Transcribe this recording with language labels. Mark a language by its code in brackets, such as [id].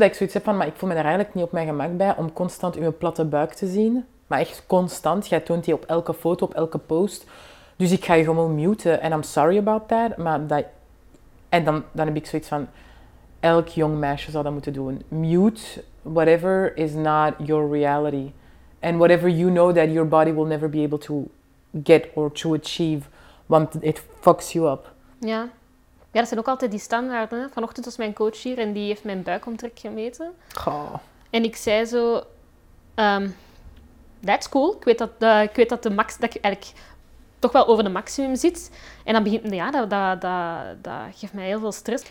[nl] Dat ik zoiets heb van, maar ik voel me daar eigenlijk niet op mijn gemak bij. Om constant uw platte buik te zien. Maar echt constant. Jij toont die op elke foto, op elke post. Dus ik ga je gewoon muten. En [en] I'm sorry about that. [nl] Maar dat... En dan heb ik zoiets van... Elk jong meisje zou dat moeten doen. [en] Mute whatever is not your reality. And whatever you know that your body will never be able to get or to achieve, [nl] want [en] it fucks you up. [nl] Ja. Ja, dat zijn ook altijd die standaarden. Vanochtend was mijn coach hier en die heeft mijn buikomtrek gemeten. Goh. En ik zei zo, [en] that's cool. [nl] Ik weet dat de max, dat ik eigenlijk toch wel over de maximum zit. En dan begint, ja, dat geeft mij heel veel stress.